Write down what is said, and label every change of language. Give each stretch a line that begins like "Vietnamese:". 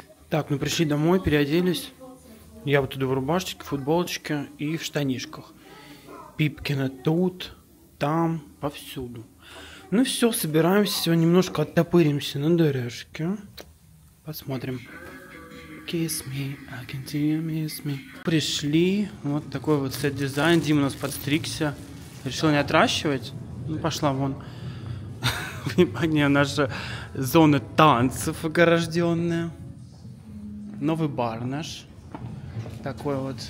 Russian: Так, мы пришли домой, переоделись. Я вот иду в рубашечке, футболочке и в штанишках. Пипкина тут, там, повсюду. Ну все, собираемся, сегодня немножко оттопыримся на дорожке. Посмотрим.
English: Kiss me, I can see you miss me.
Russian: Пришли, вот такой вот сет-дизайн. Дима у нас подстригся. Решил не отращивать? Ну, пошла вон. Внимание, наша зона танцев огорожденная. Новый бар наш. Такой вот.